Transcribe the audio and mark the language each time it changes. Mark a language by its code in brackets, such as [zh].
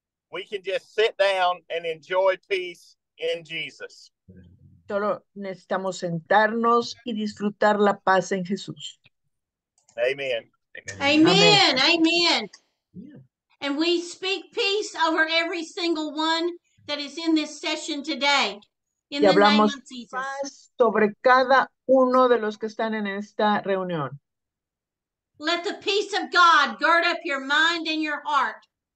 [en] We can just sit down and enjoy peace in Jesus. [es] Solo necesitamos sentarnos y disfrutar la paz en Jesús. [en] Amen. Amen. Amen. Amen. Amen. And we speak peace over every single one that is in this session today. In [es] y hablamos [en] the name of Jesus. [es] Paz sobre cada uno de los que están en esta reunión. [en] Let the peace of God gird up your mind and your heart.